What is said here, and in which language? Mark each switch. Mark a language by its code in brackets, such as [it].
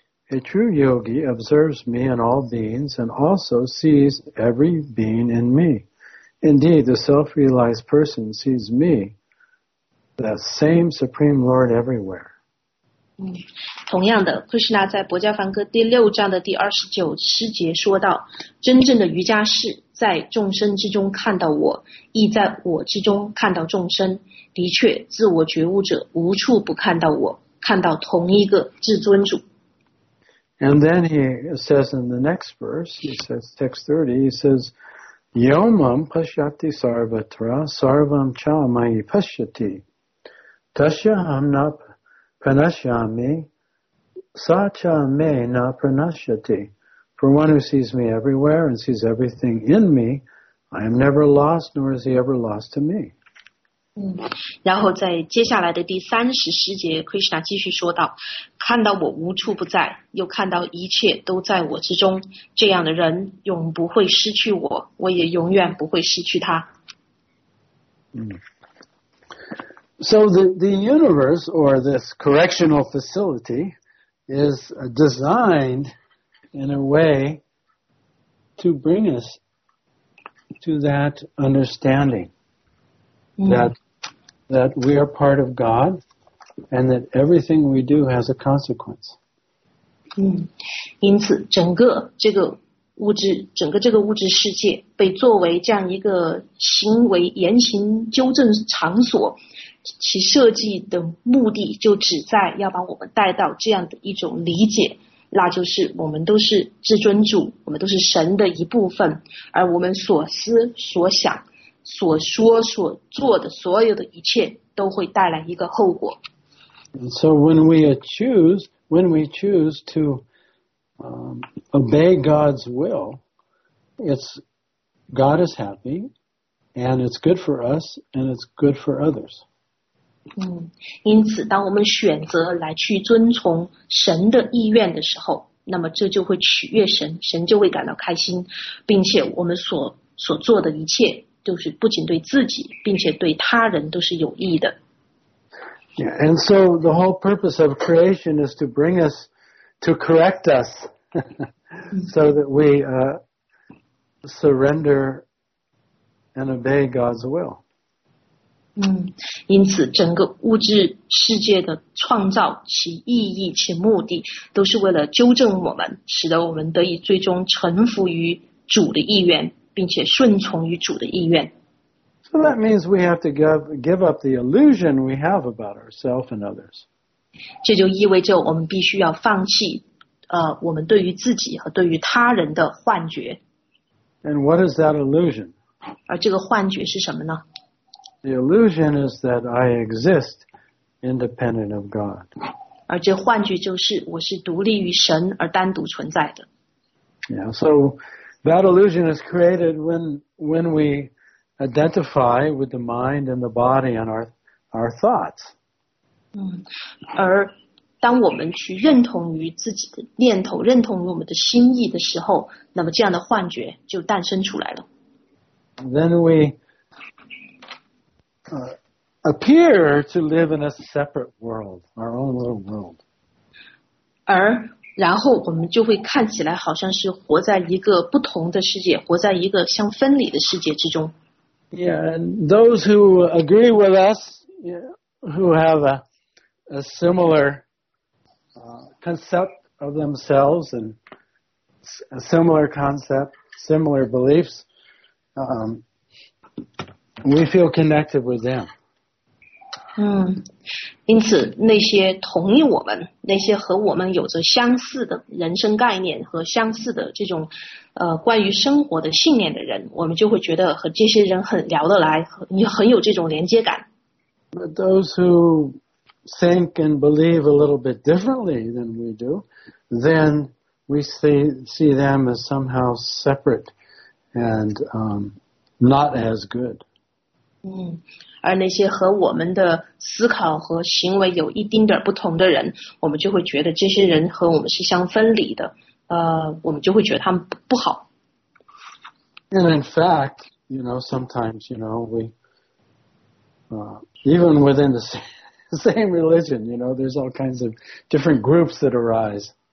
[en] A true yogi observes me and all beings and also sees every being in me. Indeed, the self-realized person sees me, the same Supreme Lord everywhere. [zh] 同样的，克什纳在《薄伽梵歌》第六章的第二十九诗节说道，真正的瑜伽士在众生之中看到我，亦在我之中看到众生。的确，自我觉悟者无处不看到我，看到同一个至尊主。 [en] And then he says in the next verse, he says, text 30, he says, [sa] Yomam pasyati sarvatra sarvam cha mayi pasyati tasya hamnapPranashyami, sacha me na pranashyati. [en] For one who sees me everywhere and sees everything in me, I am never lost, nor is he ever lost to me. [zh] 然后在接下来的第三十诗节 ，Krishna 继续说道：“看到我无处不在，又看到一切都在我之中，这样的人永不会失去我，我也永远不会失去他。 [en] So the universe, or this correctional facility, is designed in a way to bring us to that understanding that we are part of God and that everything we do has a consequence. [zh] 因此整个这个物质，整个这个物质世界被作为这样一个行为言行纠正场所，其设计的目的就旨在要把我们带到这样的一种理解，那就是我们都是至尊主，我们都是神的一部分，而我们所思所想所说所做的所有的一切都会带来一个后果。 [en] And so when we choose to obey God's will, it's God is happy and it's good for us and it's good for others. [zh] 因此当我们选择来去遵从神的意愿的时候，那么这就会取悦神，神就会感到开心，并且我们所做的一切就是不仅对自己并且对他人都是有益的。 [en] Yeah, and so the whole purpose of creation is to bring us to correct us so that we surrender and obey God's will. [zh] 因此整个物质世界的创造，其意义其目的都是为了纠正我们，使得我们得以最终臣服于主的意愿，并且顺从于主的意愿。 [en] So that means we have to give up the illusion we have about ourselves and others. [zh] 这就意味着我们必须要放弃我们对于自己和对于他人的幻觉。 [en] And what is that illusion? [zh] 而这个幻觉是什么呢？ [en] The illusion is that I exist independent of God. [zh] 而这幻觉就是我是独立于神而单独存在的。 [en] Yeah, so that illusion is created when we identify with the mind and the body and our thoughts. [zh] 而当我们去认同于自己的念头，认同于我们的心意的时候，那么这样的幻觉就诞生出来了。 [en] Then we appear to live in a separate world, our own little world. [zh] 而然后我们就会看起来好像是活在一个不同的世界，活在一个相分离的世界之中。 [en] Yeah, and those who agree with us, who have a similar concept of themselves and a similar concept, similar beliefs, we feel connected with them. [zh] 因此那些同意我们，那些和我们有着相似的人生概念和相似的这种关于生活的信念的人，我们就会觉得和这些人很聊得来，很有这种连接感。 [en] But those who think and believe a little bit differently than we do, then we see them as somehow separate and not as good. [zh] 而那些和我们的思考和行为有一丁点不同的人，我们就会觉得这些人和我们是相分离的，我们就会觉得他们不好。 [en] And in fact, you know, sometimes, you know, we, even within the same religion, you know, there's all kinds of different groups that arise.